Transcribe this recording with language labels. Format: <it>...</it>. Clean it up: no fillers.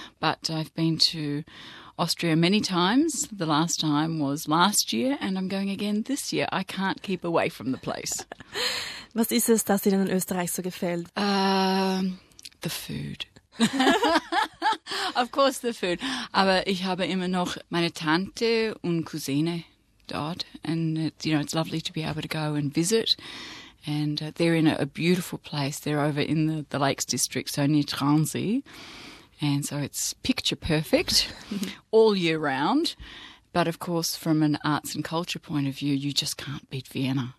<en>But I've been to Austria many times. The last time was last year and I'm going again this year. I can't keep away from the place.</en> <de>Was ist es, das Ihnen in Österreich so gefällt?</de> <en>The food. Of course the food.</en> <de>Aber ich habe immer noch meine Tante und Cousine dort.</de> <en>And, you know, it's lovely to be able to go and visit. And they're in a beautiful place. They're over in the Lakes District, so near Transee. And so it's picture perfect all year round. But of course, from an arts and culture point of view, you just can't beat Vienna.</en>